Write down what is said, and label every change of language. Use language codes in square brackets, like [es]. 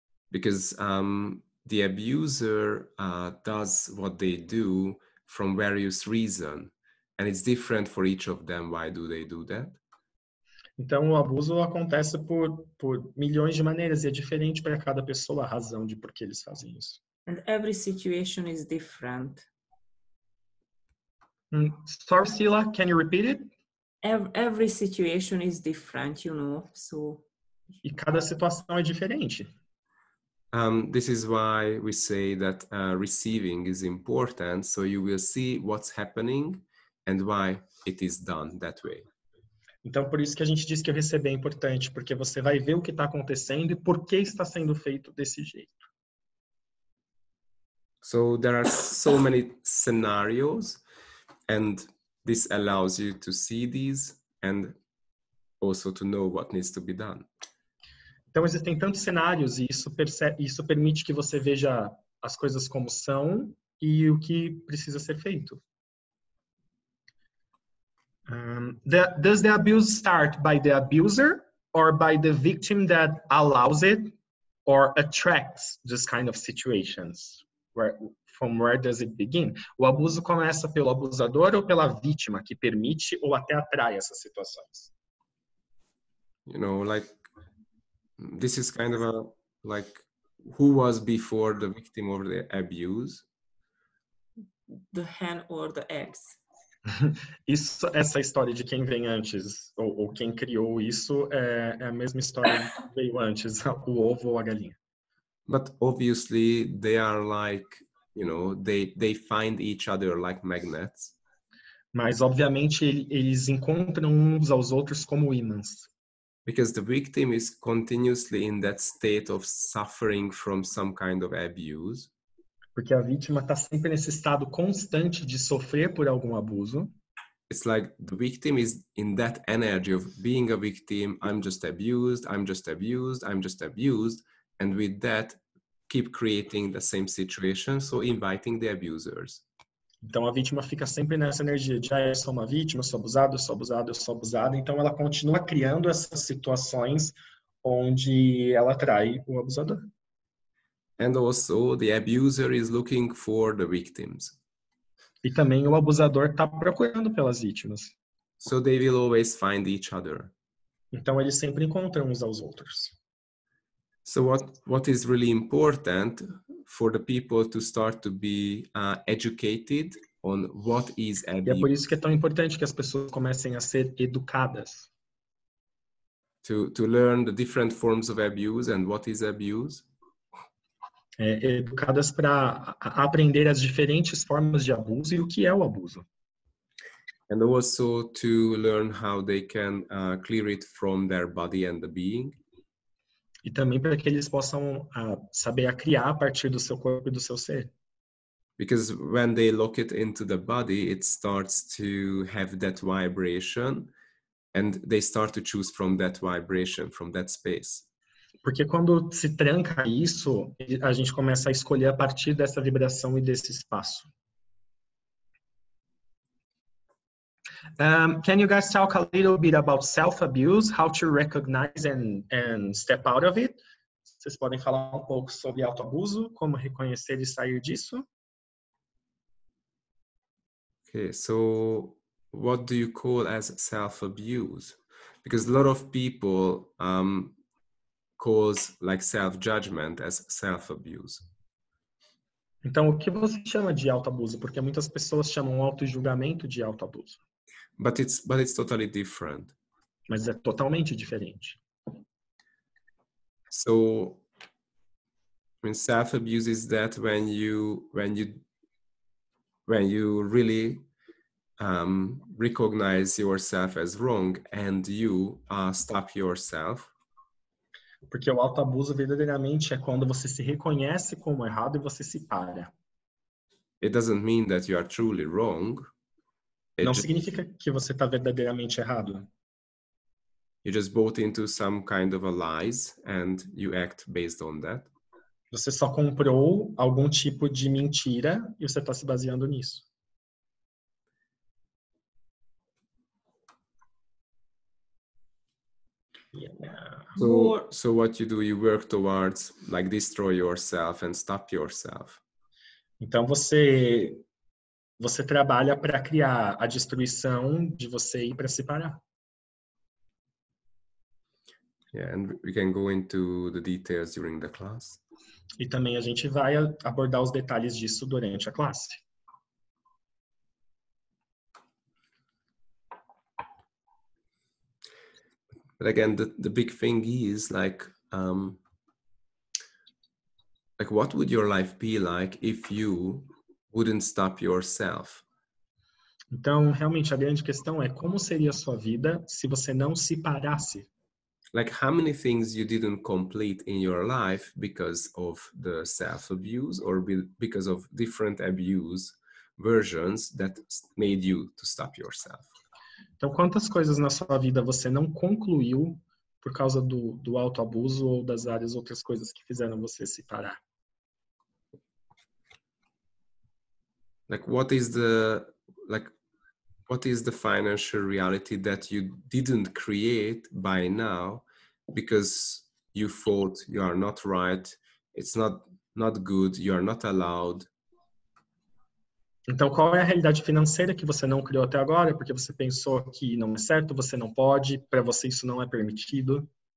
[en] Because the abuser does what they do from various reasons, and it's different for each of them. Why do they do that? [pt] Então, o abuso acontece por milhões de maneiras e é diferente para cada pessoa a razão de por que eles fazem isso. [en] And every situation is different. Sorry, Sila, can you repeat it? Every situation is different, you know, so. [pt] E cada situação é diferente. [en] This is why we say that receiving is important, so you will see what's happening and why it is done that way. [pt] Então, por isso que a gente diz que o receber é importante, porque você vai ver o que está acontecendo e por que está sendo feito desse jeito. [en] So, there are so many scenarios, and this allows you to see these and also to know what needs to be done. [pt] Então, existem tantos cenários e isso permite que você veja as coisas como são e o que precisa ser feito. [en] Does the abuse start by the abuser or by the victim that allows it or attracts this kind of situations? From where does it begin? [pt] O abuso começa pelo abusador ou pela vítima que permite ou até atrai essas situações? [en] You know, like, this is kind of a, like, who was before the victim of the abuse? The hen or the eggs. [pt] Isso, essa história de quem vem antes, ou quem criou isso, é a mesma história que veio antes, o ovo ou a galinha. [en] But obviously, they are like you know, they find each other like magnets. [pt] Mas obviamente eles encontram uns aos outros como ímãs. [en] Because the victim is continuously in that state of suffering from some kind of abuse. [pt] Porque a vítima está sempre nesse estado constante de sofrer por algum abuso. [en] It's like the victim is in that energy of being a victim, I'm just abused, I'm just abused, I'm just abused, and with that, keep creating the same situation, so inviting the abusers. [pt] Então a vítima fica sempre nessa energia de, ah, eu sou uma vítima, sou abusado, sou abusado, sou abusado. Então ela continua criando essas situações onde ela atrai o abusador. [en] And also the abuser is looking for the victims. [pt] E também o abusador está procurando pelas vítimas. [en] So they will always find each other. [pt] Então eles sempre encontram uns aos outros. [en] So what is really important for the people to start to be educated on what is abuse. [pt] E é por isso que é tão importante que as pessoas comecem a ser educadas. [en] To learn the different forms of abuse and what is abuse. [pt] É, educadas para aprender as diferentes formas de abuso e o que é o abuso. [en] And also to learn how they can clear it from their body and the being. [pt] E também para que eles possam saber a criar a partir do seu corpo e do seu ser. [en] Because when they lock it into the body, it starts to have that vibration and they start to choose from that vibration, from that space. [pt] Porque quando se tranca isso, a gente começa a escolher a partir dessa vibração e desse espaço. [en] Can you guys talk a little bit about self-abuse, how to recognize and step out of it? [pt] Vocês podem falar um pouco sobre autoabuso, como reconhecer e sair disso? [en] Okay, so what do you call as self-abuse? Because a lot of people calls like self-judgment as self-abuse. [pt] Então, o que você chama de autoabuso? Porque muitas pessoas chamam auto-julgamento de autoabuso. [en] But it's totally different. [pt] Mas é totalmente diferente. [en] So, when self-abuse is that when you really recognize yourself as wrong and you stop yourself. [pt] Porque o autoabuso verdadeiramente é quando você se reconhece como errado e você se para. [en] It doesn't mean that you are truly wrong. [pt] Não significa que você está verdadeiramente errado. [en] You just bought into some kind of a lies and you act based on that. [pt] Você só comprou algum tipo de mentira e você está se baseando nisso. [en] Yeah. So what you do, you work towards like destroy yourself and stop yourself. [pt] Então você trabalha para criar a destruição de você e para se parar. [en] Yeah, and we can go into the details during the class. [pt] E também a gente vai abordar os detalhes disso durante a classe. [en] But again, the big thing is like what would your life be like if you wouldn't stop yourself? [pt] Então, realmente, a grande questão é como seria a sua vida se você não se parasse? [en] Like, how many things you didn't complete in your life because of the self-abuse or because of different abuse versions that made you to stop yourself? [pt] Então, quantas coisas na sua vida você não concluiu por causa do autoabuso ou das várias outras coisas que fizeram você se parar? [en] Like, what is the financial reality that you didn't create by now because you thought you are not right, it's not good, you are not allowed? [pt] Então, qual é a realidade financeira que você não criou até agora porque você pensou que não é certo, você não pode, para você isso não é permitido?